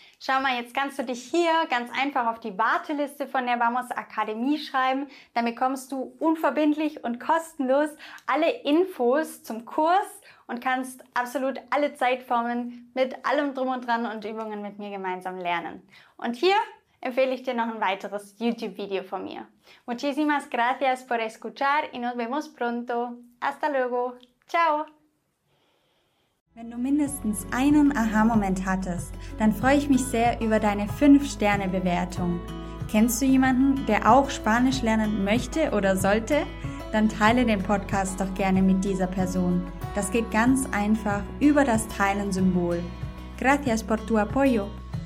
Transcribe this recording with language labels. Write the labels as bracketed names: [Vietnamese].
[German] Schau mal, jetzt kannst du dich hier ganz einfach auf die Warteliste von der Vamos Akademie schreiben. Dann bekommst du unverbindlich und kostenlos alle Infos zum Kurs und kannst absolut alle Zeitformen mit allem drum und dran und Übungen mit mir gemeinsam lernen. Und hier empfehle ich dir noch ein weiteres YouTube-Video von mir. [Spanish] Muchísimas gracias por escuchar y nos vemos pronto. Hasta luego. Ciao. [German] Wenn du mindestens einen Aha-Moment hattest, dann freue ich mich sehr über deine 5-Sterne-Bewertung. Kennst du jemanden, der auch Spanisch lernen möchte oder sollte? Dann teile den Podcast doch gerne mit dieser Person. Das geht ganz einfach über das Teilen-Symbol. [Spanish] Gracias por tu apoyo.